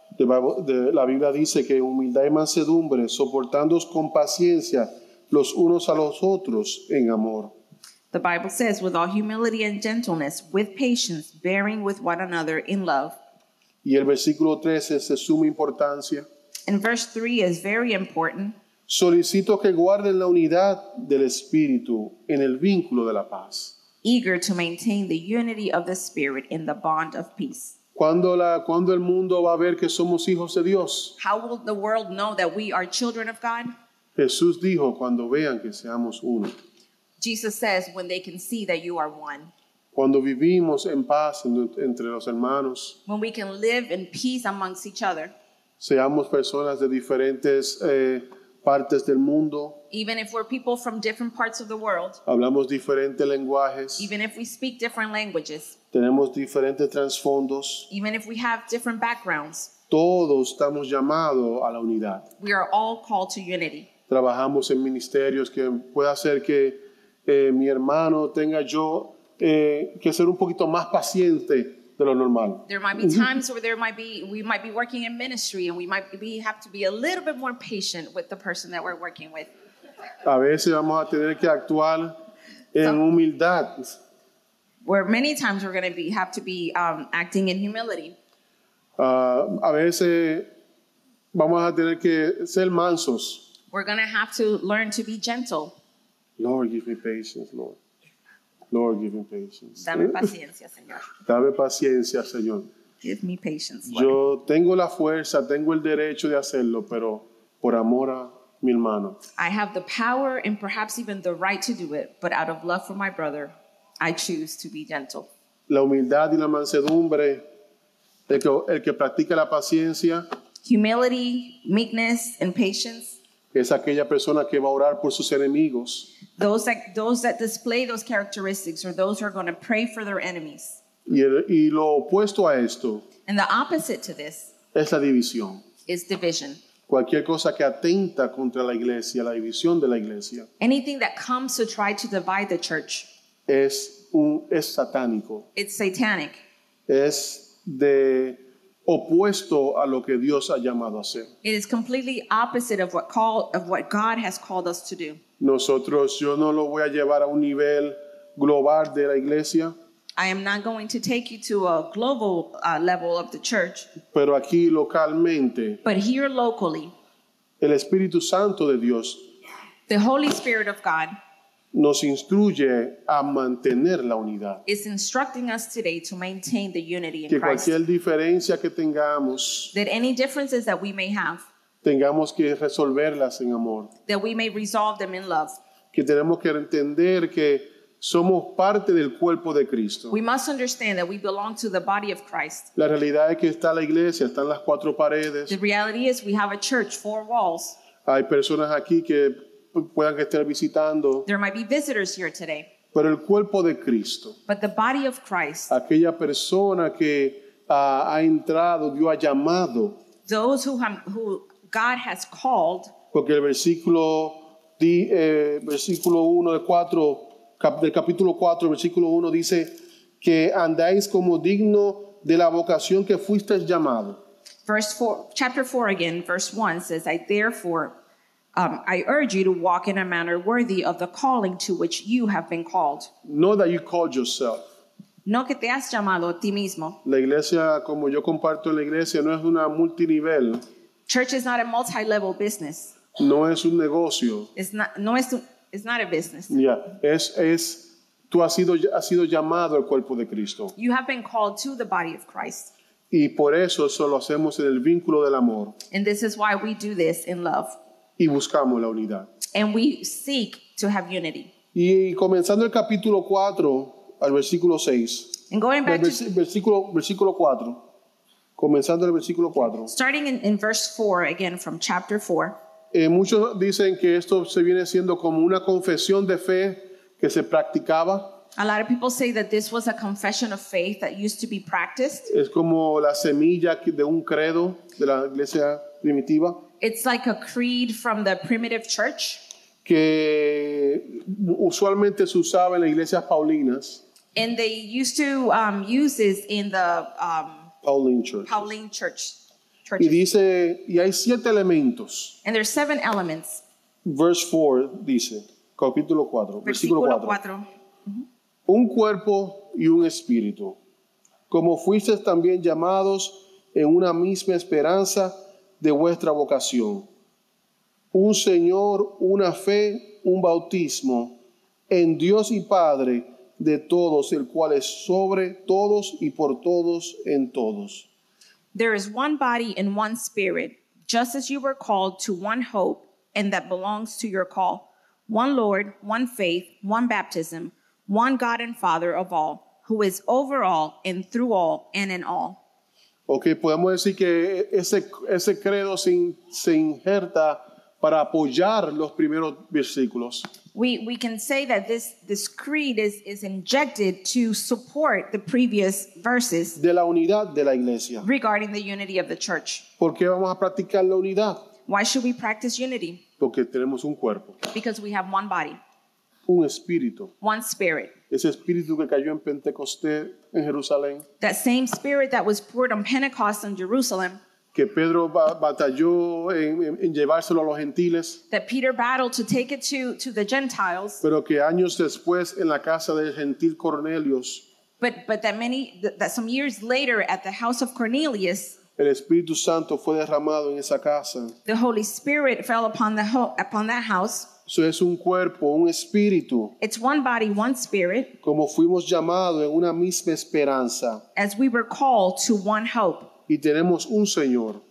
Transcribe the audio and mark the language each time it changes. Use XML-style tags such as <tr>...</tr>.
<es>La Biblia dice que humildad y mansedumbre, soportándoos con paciencia los unos a los otros en amor.</es> <en>The Bible says, with all humility and gentleness, with patience, bearing with one another in love.</en> <es>Y el versículo 3 es de suma importancia.</es> <en>And verse 3 is very important.</en> <es>Solicito que guarden la unidad del Espíritu en el vínculo de la paz.</es> <en>Eager to maintain the unity of the Spirit in the bond of peace.</en> <es>¿Cuándo el mundo va a ver que somos hijos de Dios?</es> <en>How will the world know that we are children of God?</en> <es>Jesús dijo, cuando vean que seamos uno.</es> <en>Jesus says, when they can see that you are one.</en> <es>Cuando vivimos en paz entre los hermanos.</es> <en>When we can live in peace amongst each other.</en> <es>Seamos personas de diferentes partes del mundo.</es> <en>Even if we're people from different parts of the world.</en> <es>Hablamos diferentes lenguajes.</es> <en>Even if we speak different languages.</en> <es>Tenemos diferentes trasfondos.</es> <en>Even if we have different backgrounds.</en> <es>Todos estamos llamados a la unidad.</es> <en>We are all called to unity.</en> <es>Trabajamos en ministerios que pueda hacer que mi hermano tenga yo que ser un poquito más paciente de lo normal.</es> <en>There might be times where we might be working in ministry and we have to be a little bit more patient with the person that we're working with.</en> <es>A veces vamos a tener que actuar en humildad.</es> <en>Where many times we're going to have to be acting in humility.</en> <es>A veces vamos a tener que ser mansos.</es> <en>We're going to have to learn to be gentle. Lord, give me patience, Lord. Lord, give me patience.</en> <es>Dame paciencia, Señor. Dame paciencia, Señor.</es> <en>Give me patience, Lord.</en> <es>Yo tengo la fuerza, tengo el derecho de hacerlo, pero por amor a mi hermano.</es> <en>I have the power and perhaps even the right to do it, but out of love for my brother, I choose to be gentle.</en> <es>La humildad y la mansedumbre, el que practica la paciencia.</es> <en>Humility, meekness, and patience.</en> <es>Es aquella persona que va a orar por sus enemigos.</es> <en>Those that display those characteristics are those who are going to pray for their enemies.</en> <es>Y lo opuesto a esto.</es> <en>And the opposite to this.</en> <es>Es la división.</es> <en>Is division.</en> <es>Cualquier cosa que atenta contra la iglesia, la división de la iglesia.</es> <en>Anything that comes to try to divide the church.</en> <es>Es satánico.</es> <en>It's satanic.</en> <es>Es de opuesto a lo que Dios ha llamado a hacer.</es> <en>It is completely opposite of what God has called us to do.</en> <es>Nosotros, yo no lo voy a llevar a un nivel global de la iglesia.</es> <en>I am not going to take you to a global level of the church.</en> <es>Pero aquí localmente.</es> <en>But here locally.</en> <es>El Espíritu Santo de Dios.</es> <en>The Holy Spirit of God.</en> <es>nos instruye a mantener la unidad.</es> <en>It's instructing us today to maintain the unity in</en> <es>Christ. Que cualquier diferencia que tengamos,</es> <en>that any differences that we may have,</en> <es>tengamos que resolverlas en amor.</es> <en>That we may resolve them in love.</en> <es>Que tenemos que entender que somos parte del cuerpo de Cristo.</es> <en>We must understand that we belong to the body of Christ.</en> <es>La realidad es que está la iglesia, están las cuatro paredes.</es> <en>The reality is we have a church, four walls.</en> <es>Hay personas aquí que puedan estar visitando.</es> <en>There might be visitors here today.</en> <es>Pero el cuerpo de Cristo.</es> <en>But the body of Christ.</en> <es>Aquella persona que ha entrado, Dios ha llamado.</es> <en>Those who God has called.</en> <es>Porque el versículo 1 de 4 del capítulo 4, versículo 1 dice que andáis como digno de la vocación que fuisteis llamado.</es> <en>Chapter 4 again, verse 1 says, I therefore I urge you to walk in a manner worthy of the calling to which you have been called. Know that you called yourself.</en> <es>No que te has llamado a ti mismo. La iglesia, como yo comparto en la iglesia, no es una multinivel.</es> <en>Church is not a multi-level business.</en> <es>No es un negocio.</es> <en>It's not a business.</en> <es>Yeah, tú has sido llamado al cuerpo de Cristo.</es> <en>You have been called to the body of Christ.</en> <es>Y por eso lo hacemos en el vínculo del amor.</es> <en>And this is why we do this in love.</en> <es>Y buscamos la unidad.</es> <en>And we seek to have unity.</en> <es>Y comenzando el capítulo 4 al versículo 6.</es> <en>And going back</en> <es>versículo 4. Comenzando el versículo 4.</es> <en>Starting in verse 4 again from chapter 4.</en> <es>Muchos dicen que esto se viene siendo como una confesión de fe que se practicaba.</es> <en>A lot of people say that this was a confession of faith that used to be practiced.</en> <es>Es como la semilla de un credo de la iglesia primitiva.</es> <en>It's like a creed from the primitive church.</en> <es>Que usualmente se usaba en las iglesias paulinas.</es> <en>And they used to use this in the Pauline church.</en> <es>Y dice, y hay siete elementos.</es> <en>And there are seven elements. Verse 4</en> <es>dice, capítulo 4, versículo 4. Mm-hmm. Un cuerpo y un espíritu, como fuisteis también llamados en una misma esperanza de vuestra vocación. Un Señor, una fe, un bautismo, en Dios y Padre de todos, el cual es sobre todos y por todos en todos.</es> <en>There is one body and one spirit, just as you were called to one hope and that belongs to your call. One Lord, one faith, one baptism, one God and Father of all, who is over all and through all and in all.</en> <es>Okay, podemos decir que ese credo se injerta para apoyar los primeros versículos.</es> <en>We can say that this creed is injected to support the previous verses.</en> <es>De la unidad de la iglesia.</es> <en>Regarding the unity of the church.</en> <es>¿Por qué vamos a practicar la unidad?</es> <en>Why should we practice unity?</en> <es>Porque tenemos un cuerpo.</es> <en>Because we have one body.</en> <es>Un espíritu.</es> <en>One spirit.</en> <es>Ese espíritu que cayó en Pentecostés en Jerusalén.</es> <en>That same spirit that was poured on Pentecost in Jerusalem.</en> <es>Que Pedro batalló en llevárselo a los gentiles.</es> <en>That Peter battled to take it to the Gentiles.</en> <es>Pero que años después en la casa del gentil Cornelius.</es> <en>But that many, that some years later at the house of Cornelius.</en> <es>El Espíritu Santo fue derramado en esa casa.</es> <en>The Holy Spirit fell upon that house.</en> <es>Eso es un cuerpo, un espíritu.</es> <en>It's one body, one spirit.</en> <es>Como fuimos llamados en una misma esperanza.</es> <en>As we were called to one hope.</en> <es>Y tenemos un Señor.</es>